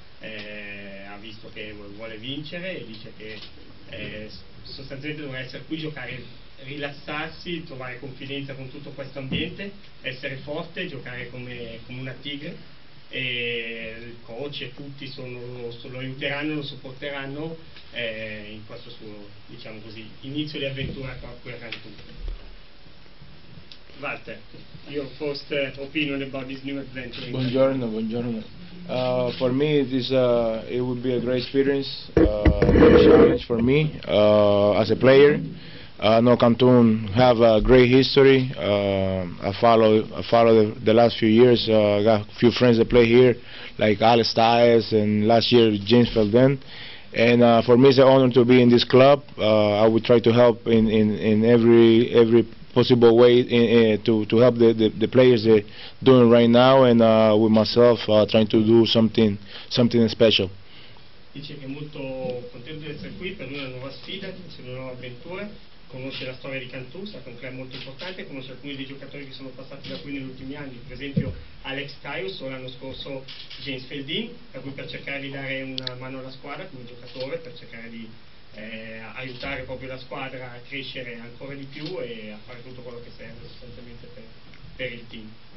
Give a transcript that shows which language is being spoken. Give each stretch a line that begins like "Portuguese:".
Italian: Ha visto che vuole vincere e dice che sostanzialmente dovrà essere qui, giocare, rilassarsi, trovare confidenza con tutto questo ambiente, essere forte, giocare come una tigre e il coach e tutti lo aiuteranno, lo supporteranno in questo suo, diciamo così, inizio di avventura qui a Cantù.
English: Walter, your first opinion about this new adventure in Cantù?
Italian: Buongiorno, buongiorno.
English: For me, it would be a great experience, a challenge for me as a player. I know Cantu have a great history. I follow the last few years. I got a few friends that play here, like Alex Tyes and last year James Felden. And for me, it's an honor to be in this club. I would try to help in every possible way to help the players they're doing right now, and with myself trying to do something special.
Italian: Dice che è molto contento di essere qui, per lui è una nuova sfida, è una nuova avventura, conosce la storia di Cantù, sa che è un club molto importante, conosce alcuni dei giocatori che sono passati da qui negli ultimi anni, per esempio Alex Caius o l'anno scorso James Feldin, da cui per cercare di dare una mano alla squadra come giocatore, per cercare di aiutare proprio la squadra a crescere ancora di più e a fare tutto quello che serve sostanzialmente per il team.